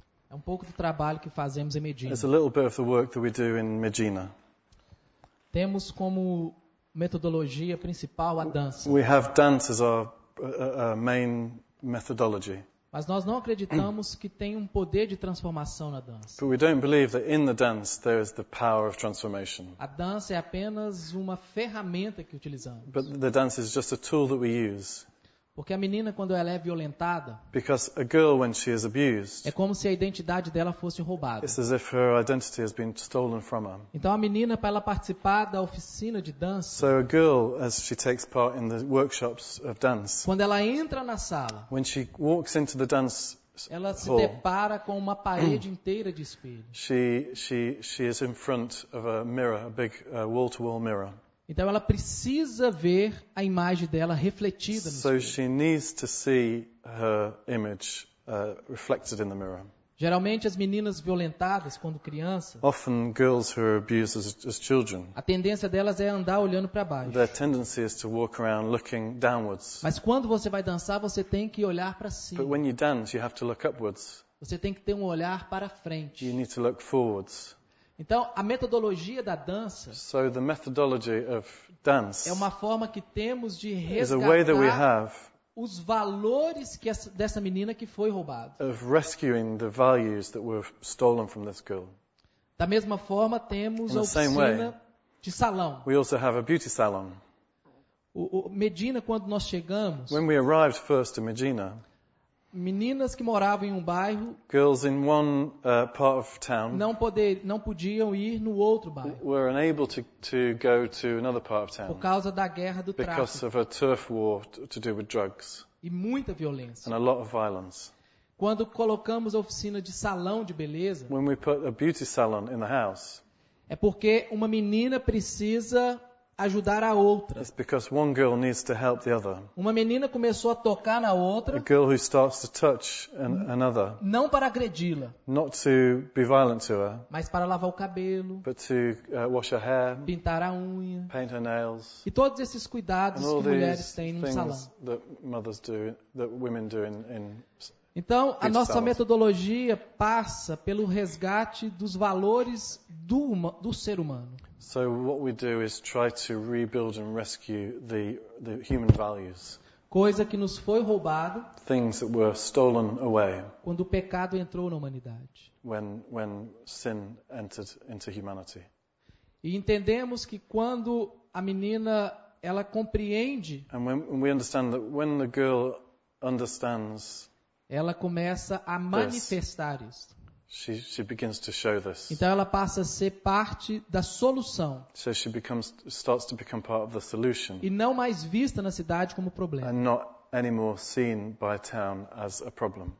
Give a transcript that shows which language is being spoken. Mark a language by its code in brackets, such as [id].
[pt] É um pouco do trabalho que fazemos em Medina. [en] It's a little bit of the work that we do in Medina. [pt] Temos como metodologia principal a dança. [en] We have dance as our main methodology. [pt] Mas nós não acreditamos que tem um poder de transformação na dança. [en] But we don't believe that in the dance there is the power of transformation. [pt] A dança é apenas uma ferramenta que utilizamos. [en] But the dance is just a tool that we use. [pt] Porque a menina, quando ela é violentada, [en] because a girl, when she is abused, [pt] é como se a identidade dela fosse roubada. [en] It's as if her identity has been stolen from her. [pt] Então a menina, para ela participar da oficina de dança, [en] so a girl, as she takes part in the workshops of dance, [pt] quando ela entra na sala, [en] when she walks into the dance, [pt] ela se depara com uma parede inteira de espelho. [en] She is in front of a mirror, a big wall-to-wall mirror. [pt] Então ela precisa ver a imagem dela refletida no espelho. [en] So she needs to see her image reflected in the mirror. [pt] Geralmente as meninas violentadas quando crianças, [en] often girls who are abused as children, [pt] a tendência delas é andar olhando para baixo. [en] Their tendency is to walk around looking downwards. [pt] Mas quando você vai dançar, você tem que olhar para cima. [en] But when you dance, you have to look upwards. [pt] Você tem que ter um olhar para frente. [en] You need to look forwards. [pt] Então, a metodologia da dança, [en] so the methodology of dance, [pt] é uma forma que temos de resgatar os valores que dessa menina que foi roubada. [en] Of rescuing the values that were stolen from this girl. [pt] Da mesma forma, temos [en] in [pt] a oficina [en] way, [pt] de salão. [en] We also have a beauty salon. [pt] O Medina, quando nós chegamos, [en] when we arrived first in Medina, [pt] meninas que moravam em um bairro, [en] girls in one part of town, [pt] não podiam ir no outro bairro. [en] Were unable to go to another part of town. [pt] Por causa da guerra do tráfico. [en] Because of a turf war to do with drugs. [pt] E muita violência. [en] And a lot of violence. [pt] Quando colocamos a oficina de salão de beleza, [en] when we put a beauty salon in the house, [pt] é porque uma menina precisa ajudar a outra. [en] It's because one girl needs to help the other. [pt] Uma menina começou a tocar na outra. [en] A girl who starts to touch another. [pt] Não para agredi-la. [en] Not to be violent to her. [pt] Mas para lavar o cabelo. [en] But to wash her hair. [pt] Pintar a unha. [en] Paint her nails. [pt] E todos esses cuidados que mulheres têm no salão. [en] That mothers do, that women do in [pt] então, a nossa [en] salons. [pt] Metodologia passa pelo resgate dos valores do ser humano. [en] So what we do is try to rebuild and rescue the human values. [pt] Coisa que nos foi roubada. [en] Things that were stolen away. [pt] Quando o pecado entrou na humanidade. [en] When sin entered into humanity. [pt] E entendemos que quando a menina ela compreende. [en] And when we understand that when the girl understands. [pt] Ela começa a manifestar [en] this, [pt] isso. [en] She begins to show this. [pt] Então ela passa a ser parte da solução. [en] So she starts to become part of the solution. [pt] E não mais vista na cidade como problema. [en] And not anymore seen by town as a problem.